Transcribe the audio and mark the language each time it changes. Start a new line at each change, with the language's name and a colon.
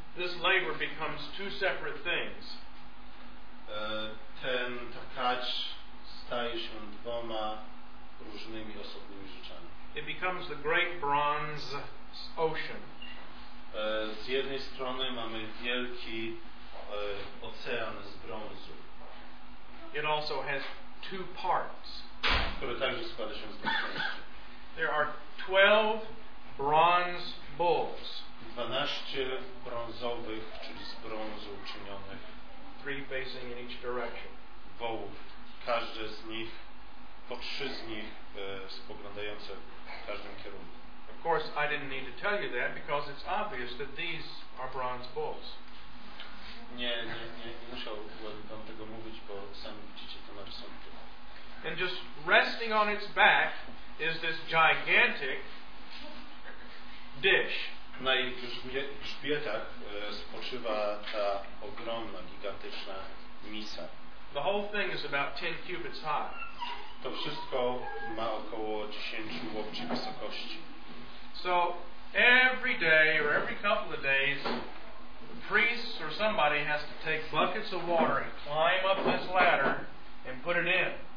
English: this labor becomes two separate things.
Polish: Ten takacz staje się dwoma różnymi osobnymi rzeczami.
English: It becomes the great bronze ocean.
Polish: Z jednej strony mamy wielki ocean z brązu.
English: It also has two parts.
Polish: Który także składa się z dwóch części.
English: There are 12 bronze bulls.
Polish: 12 brązowych, czyli z brązu czynionych.
English: Three facing in each direction.
Polish: Wołów. Każdy z nich, po trzy z nich spoglądające w każdym kierunku.
English: Of course, I didn't need to tell you that because it's obvious that these are bronze bulls.
Polish: Nie musiałbym wam tego mówić, bo sami widzicie to narysunki.
English: And just resting on its back is this gigantic dish.
Polish: Na ich grzbietach spoczywa ta ogromna, gigantyczna misa.
English: The whole thing is about 10 cubits high.
Polish: To wszystko ma około 10 łokci wysokości.
English: So every day or every couple of days, the priests or somebody has to take buckets of water and climb up this ladder and put it in.